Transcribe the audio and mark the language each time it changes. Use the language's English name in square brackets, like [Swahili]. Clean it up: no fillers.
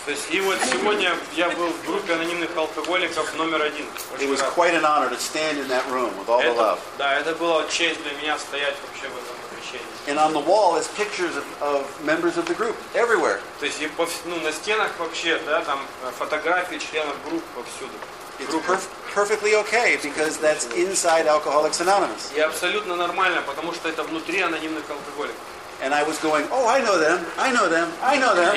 [Russian] И вот сегодня я был в группе анонимных алкоголиков номер один. [English] It was quite an honor to stand in that room with all the love. [Russian] Да, это была честь для меня стоять вообще в этом помещении. [English] And on the wall is pictures of members of the group everywhere. [Russian] То есть, ну, на стенах вообще, да, там фотографии членов групп повсюду. [English] It's perfectly okay because that's inside Alcoholics Anonymous. [Russian] И абсолютно нормально, потому что это внутри анонимных алкоголиков. [English] And I was going, oh, I know them, I know them, I know them.